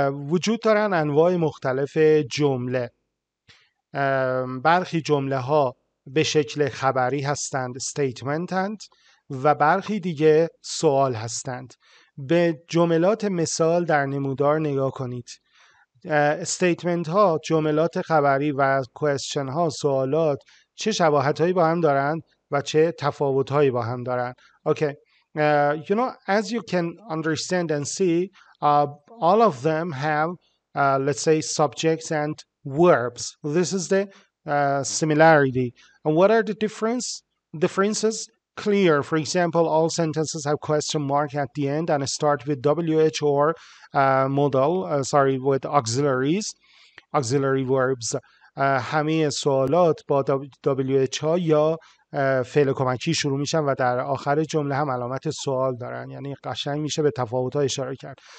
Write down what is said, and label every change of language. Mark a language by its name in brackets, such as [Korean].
[Persian] وجود دارن انواع مختلف جمله. برخی جمله ها به شکل خبری هستند، statement، و برخی دیگه سوال هستند. به جملات مثال در نمودار نگاه کنید. statement ها، جملات خبری و question ها، سوالات، چه شباهت هایی با هم دارند و چه تفاوت هایی با هم دارند. [English] Okay. You know, as you can understand and see, all of them have, let's say, subjects and verbs. This is the similarity. And what are the differences? Clear. For example, all sentences have question mark at the end and start with WH or with auxiliaries, auxiliary verbs. [Persian] همه سوالات با WH ها یا فعل کمکی شروع میشن و در آخر جمله هم علامت سوال دارن، یعنی قشنگ میشه به تفاوت‌ها اشاره کرد.